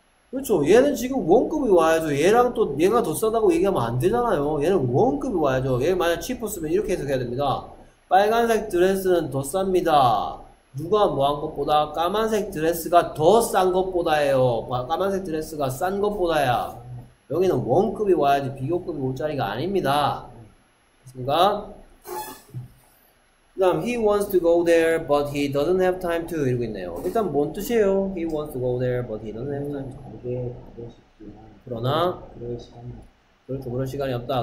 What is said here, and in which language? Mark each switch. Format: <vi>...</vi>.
<ko>그렇죠 얘는 지금 원급이 와야죠 얘랑 또 얘가 더 싸다고 얘기하면 안 되잖아요 얘는 원급이 와야죠 얘 만약 cheaper 쓰면 이렇게 해석해야 됩니다 빨간색 드레스는 더 쌉니다 누가 뭐한 것보다 까만색 드레스가 더싼 것보다예요. 까만색 드레스가 싼 것보다야. 여기는 원급이 와야지 비교급이 올 자리가 아닙니다. 그렇습니까? 그다음</ko> <en>he wants to go there, but he doesn't have time to</en> <ko>이러고 있네요. 일단 뭔 뜻이에요?</ko> <en>He wants to go there, but he doesn't have time to.</en> <ko>그러나 그럴 시간이 없다.</ko>